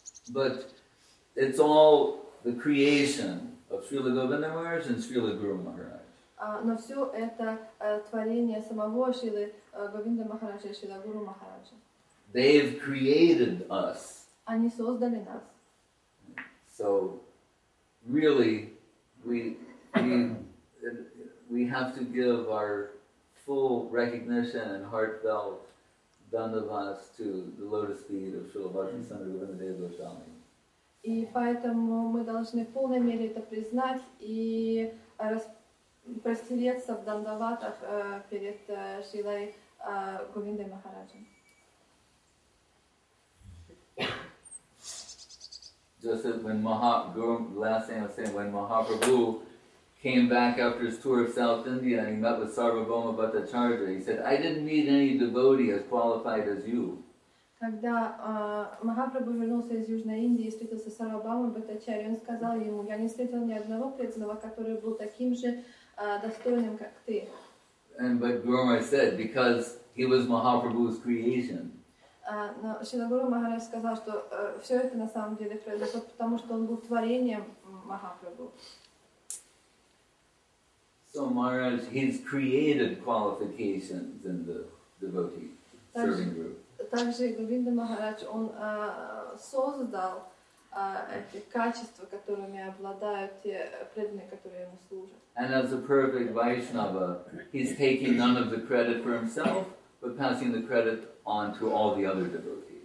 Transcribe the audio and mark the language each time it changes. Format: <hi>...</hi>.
<en>But it's all the creation of Srila Govinda Maharaj and Srila Guru Maharaj.</en> <ru>Но все это творение самого Шрилы Говинда Махараджа и Шрила Гуру Махараджа.</ru> <en>They've created us.</en> <ru>Они создали нас.</ru> <en>So, really, we have to give our full recognition and heartfelt dandavas to the lotus feet of Srila Bhakti Sundara Govindadeva Goswami.</en> <ru>И поэтому мы должны в полной мере это признать и простереться в дандаватах перед Шрилой Говиндой Махараджем.</ru> <en>Just as when Mahaprabhu came back after his tour of South India and he met with Sarvabhauma Bhattacharya, he said, I didn't need any devotee as qualified as you.</en> <ru>Когда Махапрабху вернулся из Южной Индии и встретился с Сарвабхаумой Бхаттачарьей, он сказал ему, я не встретил ни одного преданного, который был таким же достойным, как ты.</ru> <en>And but Guru Maharaj said, because he was Mahaprabhu's creation.</en> <ru>Но Шрила Гуру Махарадж сказал, что все это на самом деле произошло, потому что он был творением Махапрабху.</ru> <en>So Maharaj, he's created qualifications in the devotee serving group.</en> <ru>Также Говинда Махарадж, он создал эти качества, которыми обладают те преданные, которые ему служат.</ru> <en>And as a perfect Vaishnava, he's taking none of the credit for himself, but passing the credit on to all the other devotees.</en>